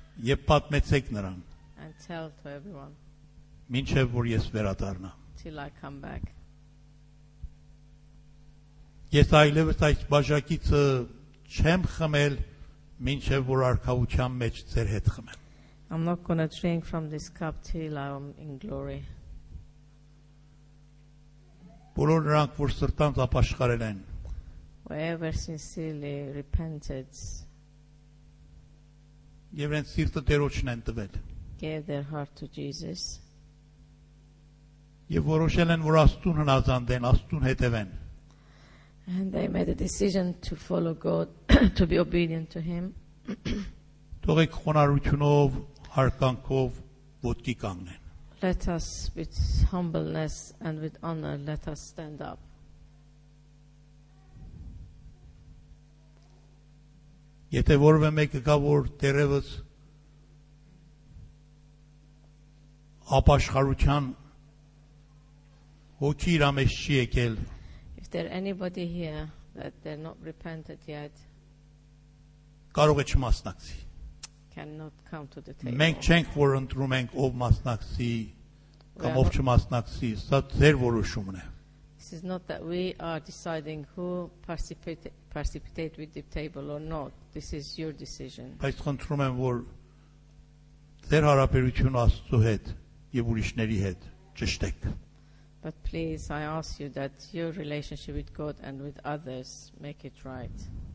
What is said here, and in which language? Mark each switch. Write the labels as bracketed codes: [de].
[hy] Եւ պատմեցեք նրան. [en] And tell to everyone. [hy] Մինչև որ ես վերադառնամ. [en] Till I come back. [hy] Ես այլևս այս բաժակիցը չեմ խմել. Մինչև որ արքայության մեջ ձեր հետ խմեմ. [en] I'm not going to drink from this cup till I'm in glory. [hy] Բոլոր նրանք, որ սրտանց ապաշխարել են. [en] Whoever sincerely repented. [hy] Եվ իրենց սիրտը Տերոջն են տվել. [en] Gave their heart to Jesus. [hy] Եվ որոշել են, որ Աստուն հնազանդեն, Աստուն հետևեն. [en] And they made a decision to follow God, to be obedient to Him. [hy] Թողեք խոնարհությունով, հարգանքով, ոտքի կանգնեն. [en] Let us, with humbleness and with honor, let us stand up. [hy] Եթե որևէ մեկը կա, որ դերևս ապաշխարության հոգի իր մեջ չի եկել. [en] Is there anybody here that they're not repented yet? [hy] Կարող է չմասնակցի. [en] Cannot come to the table. [hy] Մենք չենք որ ընտրում ենք ով մասնակցի կամ ով չմասնակցի, սա ձեր որոշումն է. [en] This is not that we are deciding who participate with the table or not. This is your decision. [hy] Բայց խնդրում եմ որ ձեր հարաբերությունը Աստծո հետ եւ ուրիշների հետ ճշտեք. [en] But please, I ask you that your relationship with God and with others make it right.